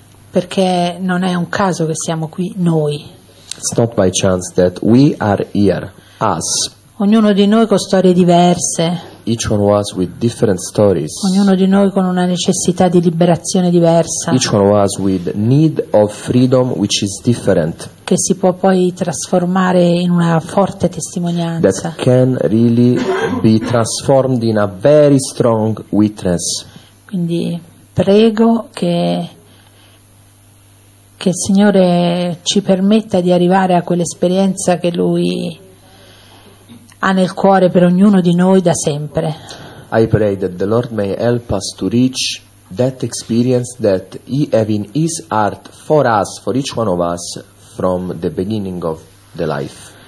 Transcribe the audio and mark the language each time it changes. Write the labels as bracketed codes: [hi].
[it] Perché non è un caso che siamo qui noi. [en] It's not by chance that we are here, us. [it] Ognuno di noi con storie diverse. [en] Each one of us with different stories. [it] Ognuno di noi con una necessità di liberazione diversa. [en] Each one of us with need of freedom which is different. [it] Che si può poi trasformare in una forte testimonianza. [en] That can really be transformed in a very strong witness. [it] Quindi prego che il Signore ci permetta di arrivare a quell'esperienza che Lui ha nel cuore per ognuno di noi da sempre. [en] I pray that the Lord may help us to reach that experience that He has in His heart for us, for each one of us, from the beginning of the life.